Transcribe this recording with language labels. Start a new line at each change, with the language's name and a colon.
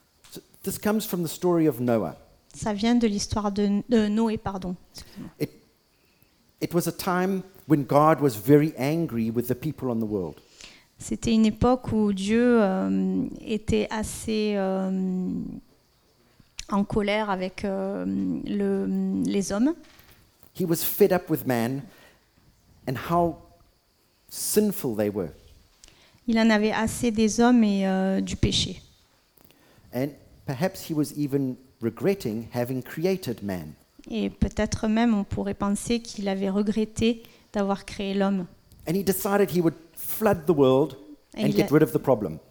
English: So this comes from the story of Noah.
French: Ça vient de l'histoire de Noé, pardon.
English: It was a time when God was very angry with the people on the world.
French: C'était une époque où Dieu était assez en colère avec les hommes.
English: He was fed up with man and how sinful they were.
French: Il en avait assez des hommes et du péché.
English: And perhaps he was even regretting having created man.
French: Et peut-être même on pourrait penser qu'il avait regretté d'avoir créé l'homme.
English: And he decided he would flood the world and get rid of the problem.